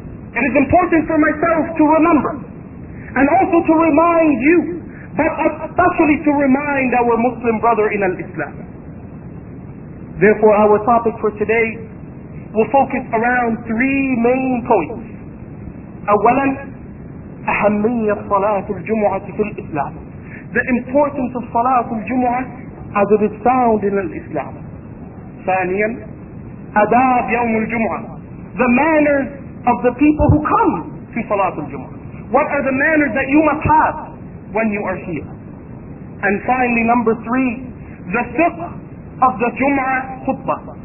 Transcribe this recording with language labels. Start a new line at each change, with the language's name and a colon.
English: It is important for myself to remember and also to remind you, but especially to remind our Muslim brother in al-Islam. Therefore, our topic for today will focus around three main points.
Arabic: أولاً أهمية صلاة الجمعة في الإسلام.
English: The importance of صلاة الجمعة as it is found in al-Islam.
Arabic: ثانياً آداب يوم الجمعة.
English: The manners of the people who come to Salat al-Jum'ah. What are the manners that you must have when you are here? And finally, number three, the fiqh of the Jum'ah khutbah.